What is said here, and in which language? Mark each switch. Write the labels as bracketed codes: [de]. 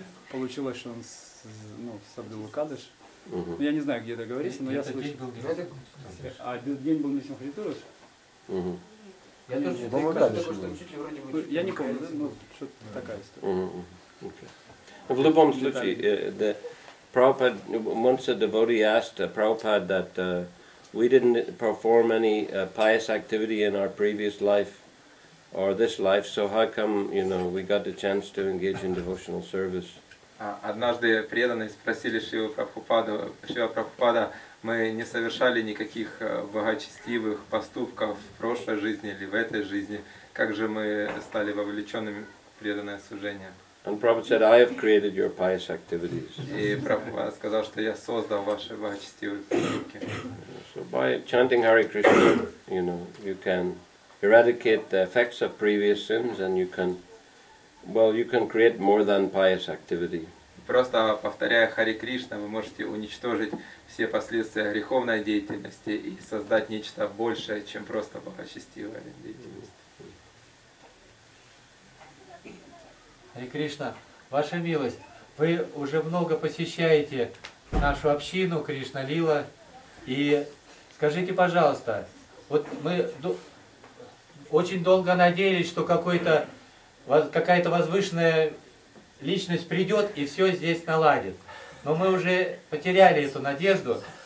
[ru] Получилось, что он соблюл Икадыш. Я не знаю, где это говорится, но я слышал. А день был Нарсимхадева? Я не помню, но что-то такая история. В любом случае, [en] Prabhupada, once a devotee asked Prabhupada that we didn't perform any pious activity in our previous life or this life, so how come, you know, we got the chance to engage in devotional service? [ru] Однажды преданные спросили Шрилу Прабхупаду, мы не совершали никаких благочестивых поступков в прошлой жизни или в этой жизни, как же мы стали вовлеченными в преданное служение? [en] And Prabhupada said, "I have created your pious activities." [ru] И Прабхупада сказал, что я создал ваши благочестивые поступки. [en] So by chanting Hare Krishna, you know, you can eradicate the effects of previous sins, and you can create more than pious activity. [ru] Просто повторяя Хари Кришна, вы можете уничтожить все последствия греховной деятельности и создать нечто большее, чем просто благочестивая деятельность. Хари Кришна, Ваша милость, Вы уже много посещаете нашу общину Кришна Лила, и скажите, пожалуйста, вот мы очень долго надеялись, что какая-то возвышенная личность придет и все здесь наладит, но мы уже потеряли эту надежду.